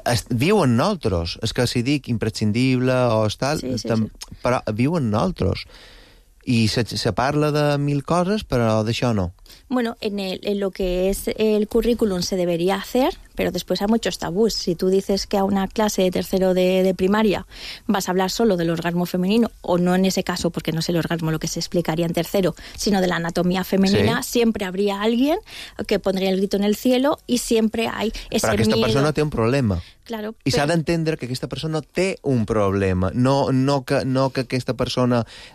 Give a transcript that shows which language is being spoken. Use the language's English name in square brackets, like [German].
[Catalan] viu en nosaltres, és que si dic imprescindible o tal, però viu en nosaltres i se parla de mil coses però d'això no. [Spanish] Bueno, en lo que es el currículum se debería hacer, pero después hay muchos tabús. Si tú dices que a una clase de tercero de primaria vas a hablar solo del orgasmo femenino, o no en ese caso, porque no es el orgasmo lo que se explicaría en tercero, sino de la anatomía femenina, sí, siempre habría alguien que pondría el grito en el cielo y siempre hay ese miedo. Pero esta persona té un problema. Claro. [Catalan] Y s'ha d'entendre que aquesta persona té un problema. No que aquesta persona...